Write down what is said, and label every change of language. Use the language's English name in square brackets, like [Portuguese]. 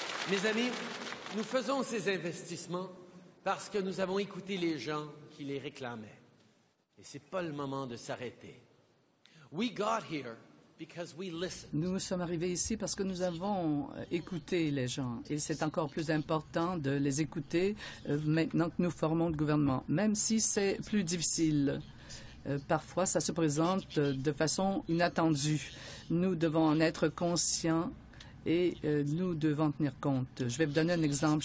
[French] Mes amis, nous faisons ces investissements parce que nous avons écouté les gens qui les réclamaient. Et ce n'est pas le moment de s'arrêter. [English] We got here because we listened. [French] Nous sommes arrivés ici parce que nous avons écouté les gens. Et c'est encore plus important de les écouter maintenant que nous formons le gouvernement, même si c'est plus difficile. Parfois, ça se présente de façon inattendue. Nous devons en être conscients. Et nous devons tenir compte. Je vais vous donner un exemple.